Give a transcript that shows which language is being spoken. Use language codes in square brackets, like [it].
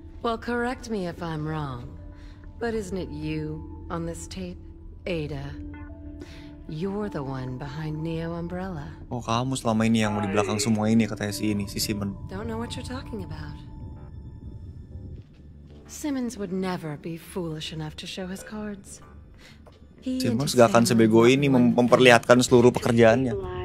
[en] Well, correct me if I'm wrong, but isn't it you on this tape, Ada? You're the one behind Neo Umbrella. [id] Oh, kamu selama ini yang mau di belakang semua ini, katanya si ini, si Simon. [en] Don't know what you're talking about. Simmons would never be foolish enough to show his cards. [id] Simmons gak akan sebego ini memperlihatkan seluruh pekerjaannya.